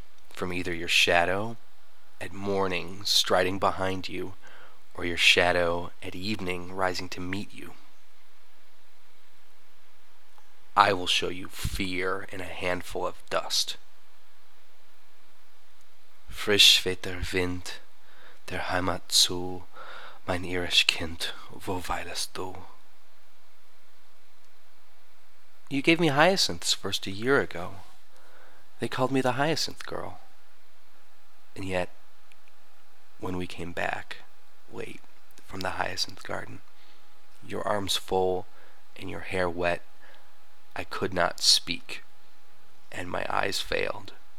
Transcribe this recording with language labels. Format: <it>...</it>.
<en>From either your shadow at morning striding behind you, or your shadow at evening rising to meet you, I will show you fear in a handful of dust.</en> <de>Frisch weht der Wind, der Heimat zu, mein irisch Kind, wo weilest du?</de> <en>You gave me hyacinths first a year ago. They called me the hyacinth girl. And yet, when we came back, late, from the hyacinth garden, your arms full and your hair wet, I could not speak, and my eyes failed.</en>